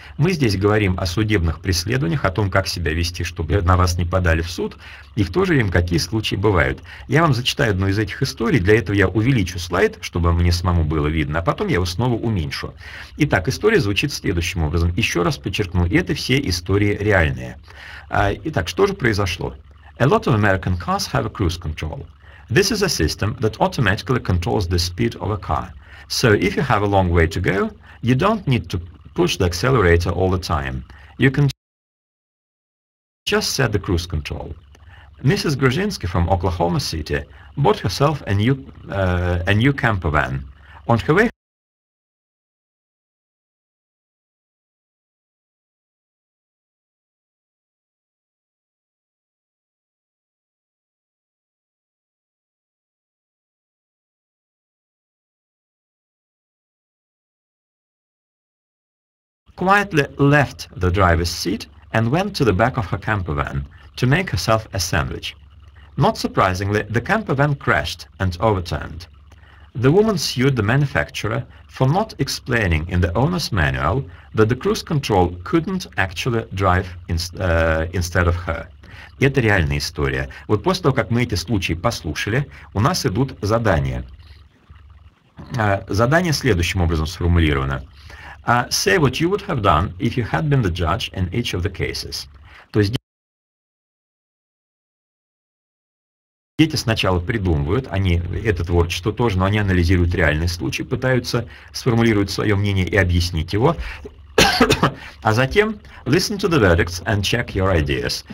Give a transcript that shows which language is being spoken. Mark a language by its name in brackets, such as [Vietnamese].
[Russian] Мы здесь говорим о судебных преследованиях, о том, как себя вести, чтобы на вас не подали в суд, и в то же время, какие случаи бывают. Я вам зачитаю одну из этих историй. Для этого я увеличу слайд, чтобы мне самому было видно, а потом я его снова уменьшу. Итак, история звучит следующим образом. Еще раз подчеркну, это все истории реальные. Итак, что же произошло? [English] A lot of American cars have a cruise control. This is a system that automatically controls the speed of a car. So if you have a long way to go, you don't need to push the accelerator all the time. You can just set the cruise control. Mrs. Grzynski from Oklahoma City bought herself a new camper van. On her way quietly left the driver's seat and went to the back of her camper van to make herself a sandwich. Not surprisingly, the camper van crashed and overturned. The woman sued the manufacturer for not explaining in the owner's manual that the cruise control couldn't actually drive instead of her. [Russian] Это реальная история. Вот после того, как мы эти случаи послушали, у нас идут задания. Задание следующим образом сформулировано. [English] Say what you would have done if you had been the judge in each of the cases. [Russian] То есть дети сначала придумывают, они это творчество тоже, но они анализируют реальный случай, пытаются сформулировать свое мнение и объяснить его. А затем [English] listen to the verdicts and check your ideas.